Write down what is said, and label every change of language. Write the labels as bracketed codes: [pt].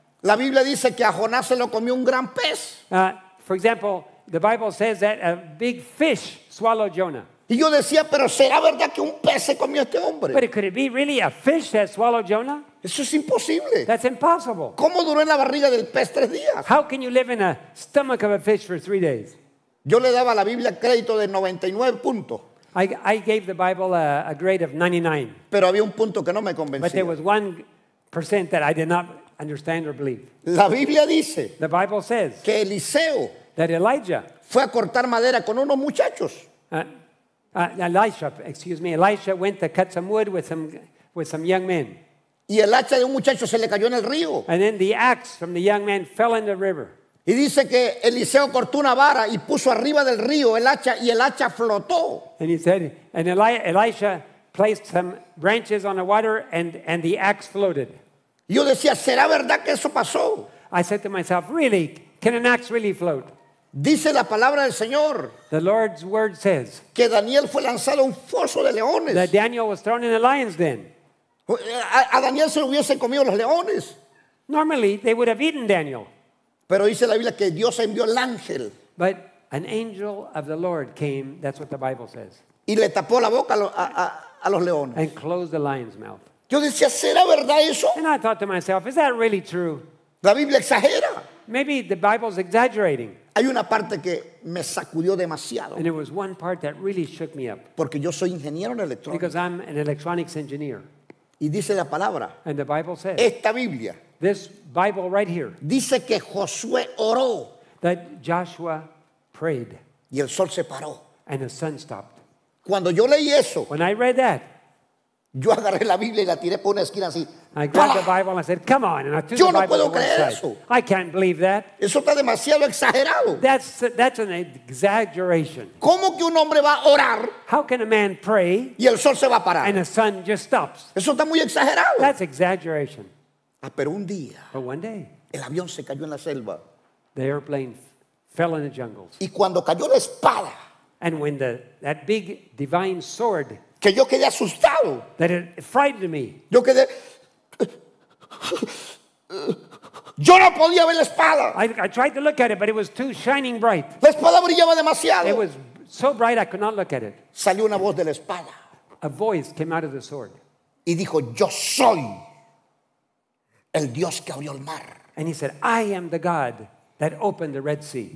[es] La Biblia dice que a Jonás se lo comió un gran pez. [en] For example, the Bible says that a big fish swallowed Jonah. [es] Y yo decía, ¿pero será verdad que un pez se comió este hombre? [en] But could it be really a fish that swallowed Jonah? [es] Eso es imposible. [en] That's impossible. [es] ¿Cómo duró en la barriga del pez 3 días? [en] How can you live in a stomach of a fish for 3 days? [es] Yo le daba a la Biblia crédito de 99 puntos. [en] I gave the Bible a grade of 99. [es] Pero había un punto que no me convencía. [en] But there was 1% that I did not understand or believe. [es] La Biblia dice, [en] the Bible says, [es] que Eliseo, [en] that Elijah, [es] fue a cortar madera con unos muchachos. [en] Elisha went to cut some wood with some young men. [es] Y el hacha de un muchacho se le cayó en el río. [en] And then the axe from the young man fell in the river. [es] Y dice que Eliseo cortó una vara y puso arriba del río el hacha y el hacha flotó. [en] And he said, and Elisha placed some branches on the water and the axe floated. [es] Yo decía, ¿será verdad que eso pasó? [en] I said to myself, really, can an axe really float? [es] Dice la palabra del Señor. [en] The Lord's word says [es] que Daniel fue lanzado a un foso de leones. [en] That Daniel was thrown in a lion's den. [es] A Daniel se lo hubiesen comido los leones. [en] Normally, they would have eaten Daniel. [es] Pero dice la Biblia que Dios envió el ángel. [en] But an angel of the Lord came, that's what the Bible says. [es] Y le tapó la boca a los leones. [en] And closed the lion's mouth. [es] Yo decía, ¿será verdad eso? [en] And I thought to myself, is that really true? [es] La Biblia exagera. [en] Maybe the Bible's exaggerating. [es] Hay una parte que me sacudió demasiado. [en] And there was one part that really shook me up. [es] Porque yo soy ingeniero en electrónica. [en] Because I'm an electronics engineer. [es] Y dice la palabra. [en] And the Bible says. [es] Esta Biblia. [en] This Bible right here. [es] Dice que Josué oró. [en] That Joshua prayed. [es] Y el sol se paró. [en] And the sun stopped. [es] Cuando yo leí eso. [en] When I read that. [es] Yo agarré la Biblia y la tiré por una esquina así. [en] I grabbed the Bible and I said, come on. And I threw [es] yo [en] the [es] no [en] Bible [es] puedo [en] on [es] creer [en] side. [es] Eso. [en] I can't believe that. [es] Eso está demasiado exagerado. [en] That's an exaggeration. [es] ¿Cómo que un hombre va a orar? [en] How can a man pray? [es] Y el sol se va a parar. [en] And the sun just stops. [es] Eso está muy exagerado. [en] That's exaggeration. [es] Ah, pero un día. [en] But one day. [es] El avión se cayó en la selva. [en] The airplane fell in the jungles. [es] Y cuando cayó la espada. [en] And when that big divine sword. [es] Que yo quedé asustado. [en] That it frightened me. [es] Yo quedé. Yo no podía ver la espada. [en] I tried to look at it, but it was too shining bright. [es] La espada brillaba demasiado. [en] It was so bright I could not look at it. [es] Salió una voz de la espada. [en] A voice came out of the sword. [es] Y dijo, yo soy el Dios que abrió el mar. [en] And he said, I am the God that opened the Red Sea.